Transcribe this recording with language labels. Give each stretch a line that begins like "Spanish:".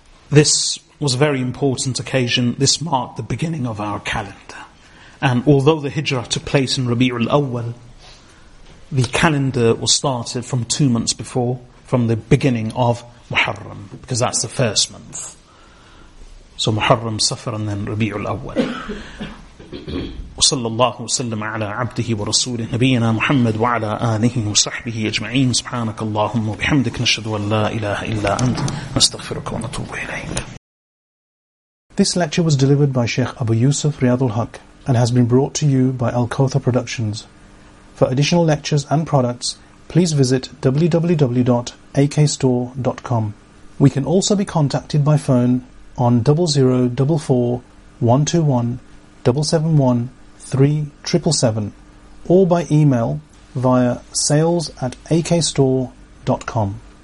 English: This was a very important occasion. This marked the beginning of our calendar. And although the hijrah took place in Rabi'ul Awwal, the calendar was started from 2 months before, from the beginning of Muharram, because that's the first month. So Muharram, Safar, and then Rabi'ul Awwal.
Arabic: وصلى الله وسلم على عبده ورسوله نبينا محمد وعلى آله وصحبه أجمعين سبحانك اللهم وبحمدك نشهد أن لا إله إلا أنت نستغفرك ونتوب إليك.
English: This lecture was delivered by Sheikh Abu Yusuf Riyad al-Haq and has been brought to you by Al-Kawthar Productions. For additional lectures and products, please visit www.akstore.com. We can also be contacted by phone on 0044 121 771 3777 or by email via sales@akstore.com.